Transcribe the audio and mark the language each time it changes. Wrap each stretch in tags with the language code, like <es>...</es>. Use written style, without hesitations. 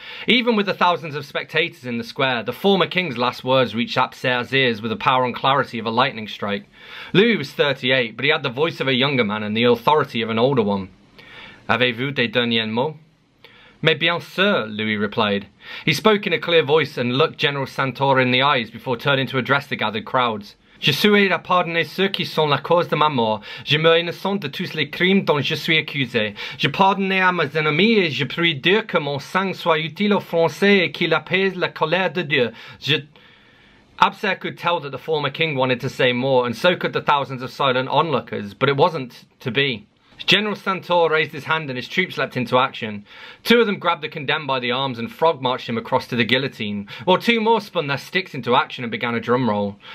<en>Even with the thousands of spectators in the square, the former king's last words reached Abser's ears with the power and clarity of a lightning strike. Louis was 38, but he had the voice of a younger man and the authority of an older one.</en> <fr>Avez-vous des derniers mots? Mais bien sûr,</fr> <en>Louis replied. He spoke in a clear voice and looked General Santor in the eyes before turning to address the gathered crowds.</en> <fr>Je souhaite à pardonner ceux qui sont la cause de ma mort. Je me innocente de tous les crimes dont je suis accusé. Je pardonne à mes ennemis et je prie Dieu que mon sang soit utile aux Français et qu'il apaise la colère de Dieu. Je...</fr> <en>Abser could tell that the former king wanted to say more, and so could the thousands of silent onlookers, but it wasn't to be. General Santor raised his hand and his troops leapt into action. Two of them grabbed the condemned by the arms and frog-marched him across to the guillotine, while two more spun their sticks into action and began a drum roll.</en>